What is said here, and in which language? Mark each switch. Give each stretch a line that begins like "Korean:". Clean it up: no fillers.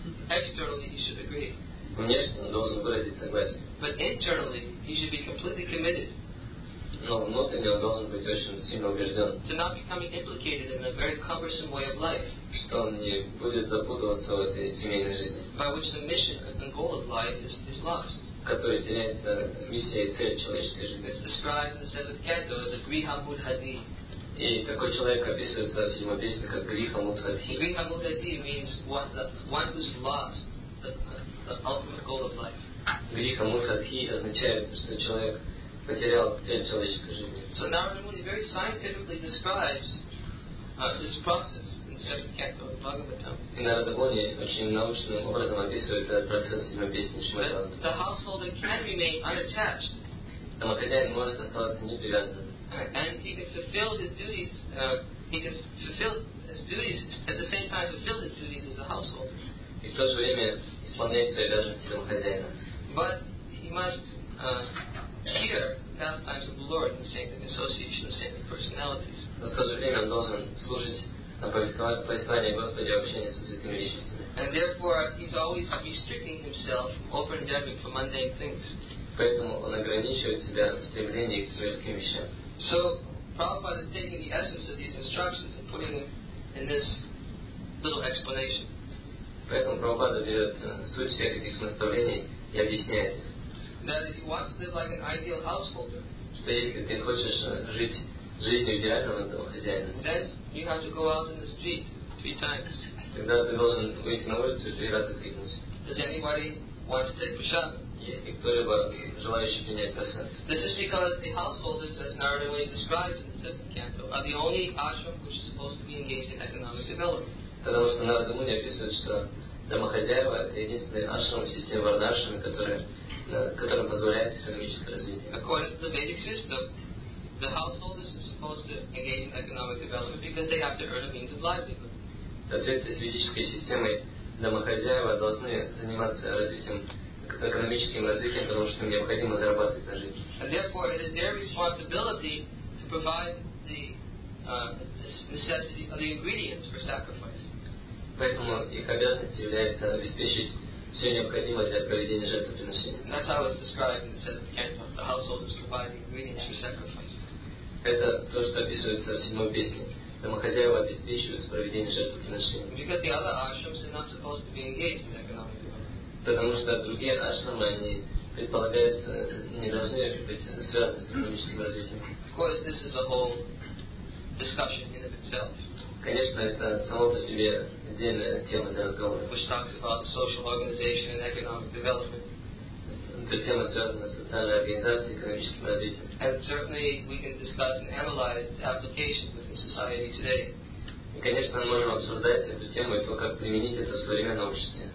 English: Externally he should agree.
Russian: Внешне он должен выразить согласие.
English: But internally he should be completely committed.
Russian: Но внутренне он должен быть очень сильно убежден.
English: To not becoming implicated in a very cumbersome way of life.
Russian: Что он не будет запутываться в этой семейной жизни.
English: By which the mission and the goal of life is lost.
Russian: Который теряется миссия и цель человеческой жизни.
English: It's described in the seventh canto as a griha mudhadi.
Russian: И такой человек описывается в седьмой песне как Гриха Мудхадхи.
English: Гриха Мудхадхи means one who's lost the ultimate goal of life.
Russian: Гриха Мудхадхи означает, что человек потерял цель человеческой жизни.
English: So Narada Muni very scientifically describes this process in the seventh canto of Bhagavatam.
Russian: И Narada Muni очень научным образом описывает этот процесс в седьмой песне Шримад-Бхагаватам.
English: The householder can remain unattached.
Russian: Домохозяин может оставаться непривязанным.
English: And he can fulfill his duties. He can fulfill his duties as a household.
Russian: И в то же время исполняет свои обязанности домохозяина.
English: But he must hear pastimes of the Lord in the same association of saintly personalities.
Russian: Но в то же время он должен слушать повествование Господа и общение со святыми личностями.
English: And therefore, he's always restricting himself, over-endeavoring for mundane things.
Russian: Поэтому он ограничивает себя в стремлении к мирским вещам.
English: So, Prabhupada is taking the essence of these instructions and putting them in this little explanation.
Russian: Поэтому Прабхупада берет суть всех этих наставлений и объясняет.
English: That if you want to live like an ideal householder,
Russian: что если ты хочешь жить жизнью идеального домохозяина,
English: then you have to go out in the street three times.
Russian: Тогда ты должен выйти на улицу три раза крикнуть.
English: Does anybody want to take prasad?
Russian: Есть ли кто-либо желающий принять просад?
English: This is because the householders, as Narada Muni describes in the seventh canto, are the only ashram which is supposed to be engaged in economic development.
Russian: Потому что Narada Muni описывает, что домохозяева, единственные ашрамы, системы варнашрамы, которые позволяют экономическое развитие.
English: According to the Vedic system, the householders are supposed to engage in economic development because they have to earn a means of livelihood.
Russian: В соответствии с ведической системой, домохозяева должны заниматься развитием, экономическим развитием, потому что им необходимо зарабатывать на жизнь.
English: And therefore, it is their responsibility to provide the necessity of the ingredients for sacrifice.
Russian: Поэтому их обязанность является обеспечить все необходимое для проведения жертвоприношения.
English: And that's how it's described in the Seventh Canto, the householders providing ingredients for sacrifice.
Russian: Это то, что описывается в седьмой песне. Домохозяева обеспечивают проведение жертвоприношения.
English: Because the other ashrams are not supposed to be engaged in economic development.
Russian: Потому что другие ашрамы, они предполагаются, не должны быть связаны с экономическим развитием.
English: Of course, this is a whole discussion in of itself.
Russian: Конечно, это само по себе отдельная тема для разговора.
English: Which talks about social organization and economic development.
Russian: Эта тема связана с социальной организацией и экономическим развитием.
English: And certainly we can discuss and analyze the application within society today.
Russian: И, конечно, мы можем обсуждать эту тему и то, как применить это в современном обществе.